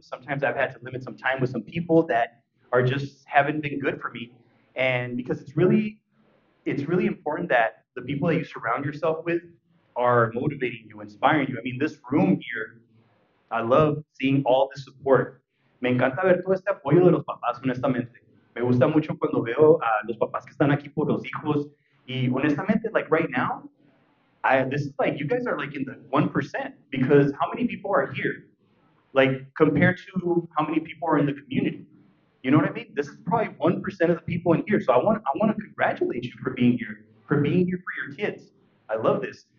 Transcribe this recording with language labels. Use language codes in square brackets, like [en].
[en] Sometimes I've had to limit some time with some people that are just haven't been good for me. And because it's really important that the people that you surround yourself with are motivating you, inspiring you. I mean, this room here, I love seeing all the support. [es] Me encanta ver todo este apoyo de los papás, honestamente. Me gusta mucho cuando veo a los papás que están aquí por los hijos. Y honestamente, [en] like right now, you guys are like in the 1%, because how many people are here? Like compared to how many people are in the community? You know what I mean? This is probably 1% of the people in here. So I want to congratulate you for being here for your kids. I love this.